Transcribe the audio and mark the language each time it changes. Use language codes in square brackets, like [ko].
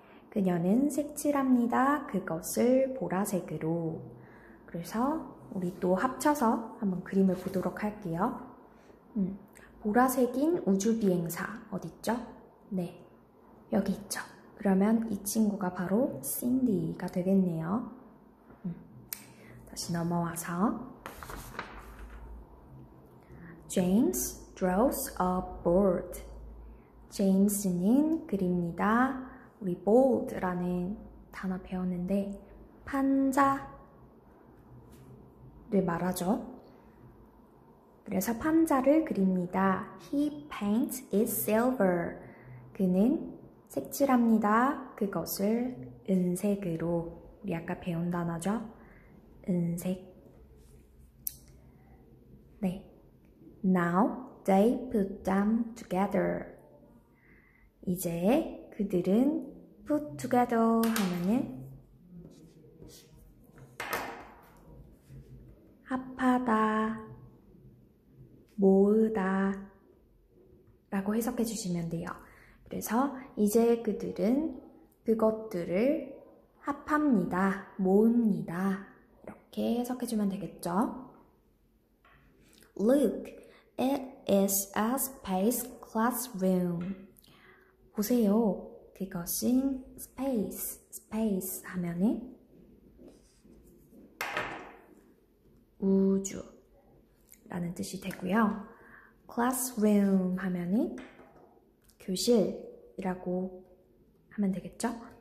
[ko] 그녀는 색칠합니다. 그것을 보라색으로. 그래서 우리 또 합쳐서 한번 그림을 보도록 할게요. 보라색인 우주 비행사 어딨죠? 네, 여기 있죠. 그러면 이 친구가 바로 신디가 되겠네요. 다시 넘어와서 [en] James draws a board. [ko] 제임스는 그립니다. 우리 board라는 단어 배웠는데 판자를 말하죠. 그래서 판자를 그립니다. [en] He paints it silver. [ko] 그는 색칠합니다. 그것을 은색으로. 우리 아까 배운 단어죠. 은색. 네. [en] Now they put them together. [ko] 이제 그들은 put together 하면은 합하다, 모으다 라고 해석해 주시면 돼요. 그래서 이제 그들은 그것들을 합합니다, 모읍니다. 이렇게 해석해주면 되겠죠? [en] Look, it is a space classroom. [ko] 보세요, 그것은 space. space 하면은 우주라는 뜻이 되고요. classroom 하면은 교실이라고 하면 되겠죠?